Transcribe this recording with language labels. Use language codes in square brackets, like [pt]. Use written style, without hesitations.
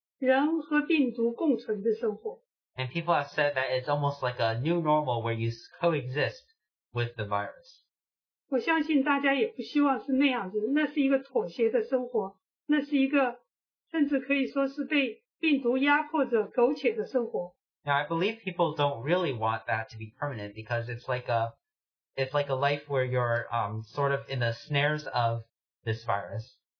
[zh] 但也有人提到说是一个什么新的正常生活,是人和病毒共存的生活。 [en] And people have said that it's almost like a new normal where you coexist with the virus. [zh] 我相信大家也不希望是那样子,那是一个妥协的生活,那是一个甚至可以说是被病毒压迫着苟且的生活。 [en] Now, I believe people don't really want that to be permanent because it's like a life where you're sort of in the snares of this virus.